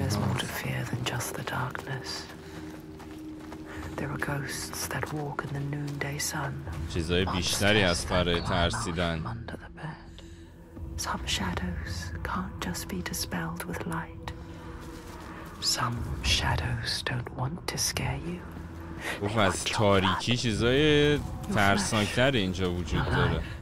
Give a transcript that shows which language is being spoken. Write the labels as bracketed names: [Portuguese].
[English] there's more to fear than just the darkness. There are ghosts that walk in the noonday sun. [Persian] چیزای بیشتری از برای ترسیدن. [English] Some shadows can't just be dispelled with light. Some shadows don't want to scare you. [Persian] اوه از تاریکی چیزای ترسناکتر اینجا وجود داره.